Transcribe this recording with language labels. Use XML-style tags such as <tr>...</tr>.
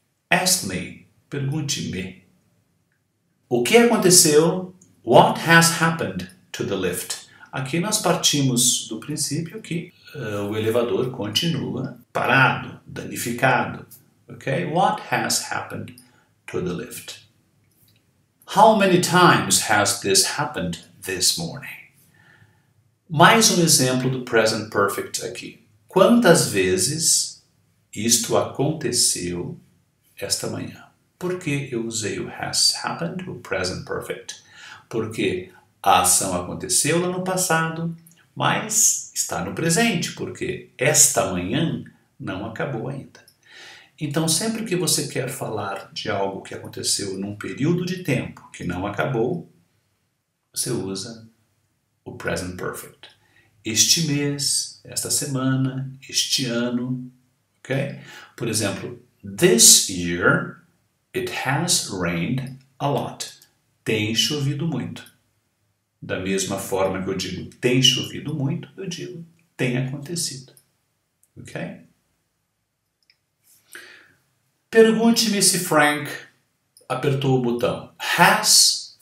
<en>Ask me,</en> <pt>pergunte-me. O que aconteceu?</pt> <en>What has happened to the lift?</en> <pt>Aqui nós partimos do princípio que o elevador continua parado, danificado.</pt> <en>Okay? What has happened to the lift? How many times has this happened this morning?</en> <pt>Mais um exemplo do present perfect aqui. Quantas vezes isto aconteceu esta manhã? Por que eu usei o has happened, o present perfect? Porque a ação aconteceu lá no passado, mas está no presente, porque esta manhã não acabou ainda. Então, sempre que você quer falar de algo que aconteceu num período de tempo que não acabou, você usa o present perfect. Este mês, esta semana, este ano, ok? Por exemplo,</pt> <en>this year it has rained a lot.</en> <pt>Tem chovido muito. Da mesma forma que eu digo tem chovido muito, eu digo tem acontecido. Ok? Pergunte-me se Frank apertou o botão. Has</pt>